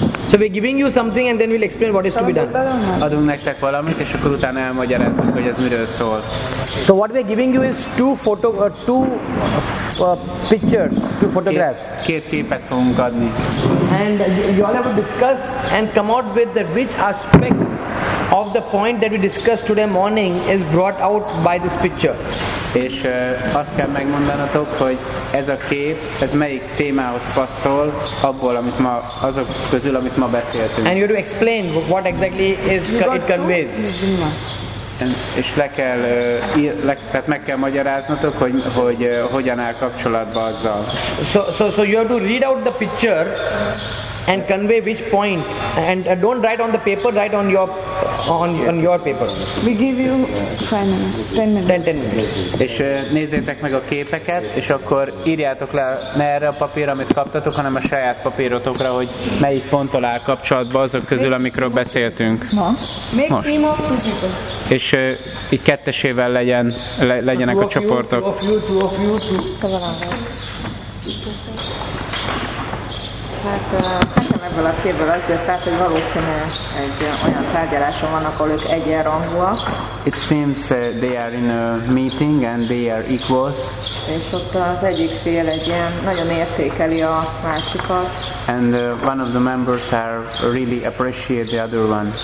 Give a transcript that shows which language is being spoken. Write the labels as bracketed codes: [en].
[en] So we're giving you something and then we'll explain what is to be done. [hu] Adunk nektek valamit, és akkor utána elmagyarázzuk, hogy ez miről szól. [en] So what we're giving you is two photographs. [hu] Két képet fogunk adni. [en] And you all have to discuss and come out with that which aspect of the point that we discussed today morning is brought out by this picture. [hu] És azt kell megmondanatok, hogy ez a kép, ez melyik témához passzol, abból, amit ma, azok közül, amit ma beszéltünk. [en] And you have to explain what exactly is it conveys. [hu] És le kell, tehát meg kell magyaráznatok, hogy hogyan áll kapcsolatban azzal. [en] So you have to read out the picture and convey which point. And don't write on the paper, write on your paper. We give you 10 minutes. [hu] És nézzétek meg a képeket, és akkor írjátok le ne erre a papírra, amit kaptatok, hanem a saját papírotokra, hogy melyik ponttal áll kapcsolatban azok közül, amikről beszéltünk. Most. És így kettesével legyenek a csoportok. Hát ebből a képből az jött át, hogy valószínűleg egy olyan tárgyaláson vannak, ahol ők egyenrangúak. [en] It seems they are in a meeting and they are equals. [hu] És ott az egyik fél egy ilyen nagyon értékeli a másikat. [en] And one of the members are really appreciate the other one.